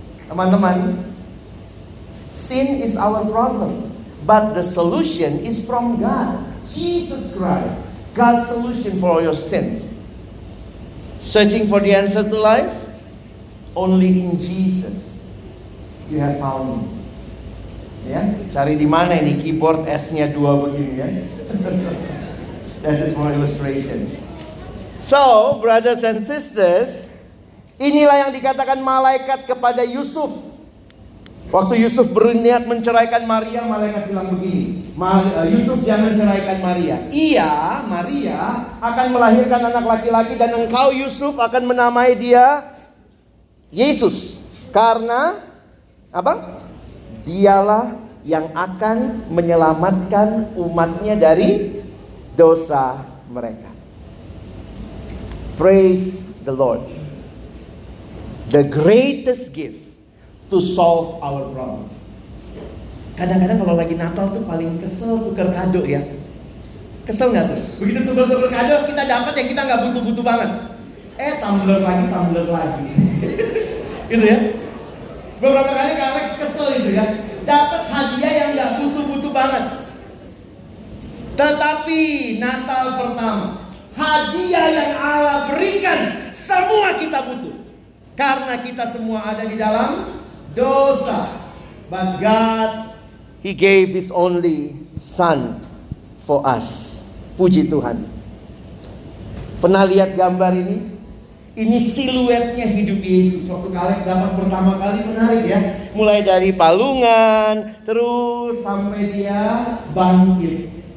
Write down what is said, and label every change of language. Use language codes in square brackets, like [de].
[id] Teman-teman, [en] sin is our problem, but the solution is from God, Jesus Christ. God's solution for your sin. Searching for the answer to life? Only in Jesus you have found me. [id] Ya, cari di mana ini keyboard S-nya dua begini ya. [en] That is for illustration. So, brothers and sisters, [id] inilah yang dikatakan malaikat kepada Yusuf. Waktu Yusuf berniat menceraikan Maria, malaikat bilang begini, Yusuf jangan ceraikan Maria. Ia, Maria, akan melahirkan anak laki-laki dan engkau Yusuf akan menamai dia Yesus. Karena, apa? Dialah yang akan menyelamatkan umatnya dari dosa mereka. [en] Praise the Lord. The greatest gift to solve our problem. [id] Kadang-kadang kalau lagi Natal tuh paling kesel tukar kado ya. Kesel gak tuh? Begitu tukar-tukar kado kita dapat yang kita gak butuh-butuh banget. Tumbler lagi. Gitu ya. Beberapa kali Kak Alex kesel gitu ya. Dapat hadiah yang gak butuh-butuh banget. Tetapi Natal pertama, hadiah yang Allah berikan, semua kita butuh. Karena kita semua ada di dalam dosa. [en] But God, He gave His only Son for us. [id] Puji Tuhan. Pernah lihat gambar ini? Ini siluetnya hidup Yesus. Waktu kali gambar pertama kali menarik ya. Mulai dari palungan, terus sampai dia bangkit.